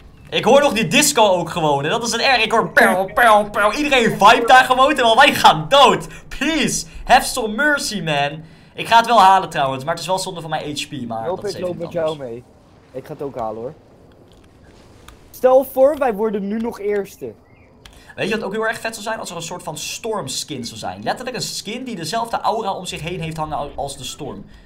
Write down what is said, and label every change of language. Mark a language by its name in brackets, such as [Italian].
[Dutch] Ik hoor nog die disco ook gewoon, en dat is een erg. Ik hoor pow. Iedereen vibe daar gewoon, terwijl wij gaan dood. [English] Please, have some mercy, man. [Dutch] Ik ga het wel halen trouwens, maar het is wel zonde van mijn HP, maar ik hoop dat is ik loop met jou mee. Ik ga het ook halen, hoor. Stel voor, wij worden nu nog eerste. Weet je wat ook heel erg vet zou zijn? Als er een soort van storm skin zou zijn. Letterlijk een skin die dezelfde aura om zich heen heeft hangen als de storm.